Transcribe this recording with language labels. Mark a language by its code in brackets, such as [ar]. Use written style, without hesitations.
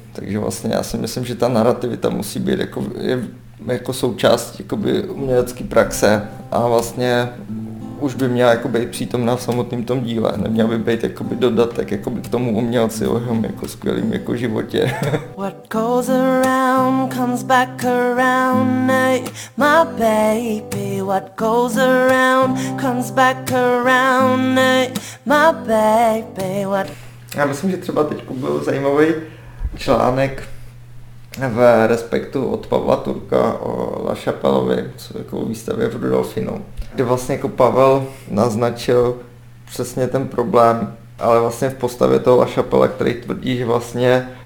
[cs] Takže vlastně já si myslím, že ta narrativita musí být jako součást jakoby umělecký praxe a vlastně už by měla jako být přítomná v samotném tom díle. Neměla by být jakoby dodatek jakoby k tomu umělci o jeho jako skvělým jako životě. [en] What goes around comes back around, my baby. What goes around comes back around, my baby. What... [cs] Já myslím, že třeba teď byl zajímavý článek v Respektu od Pavla Turka o La Chapelle, co je jako výstavě v Rudolfinu, kde vlastně jako Pavel naznačil přesně ten problém, ale vlastně v postavě toho La Chapelle, který tvrdí, že vlastně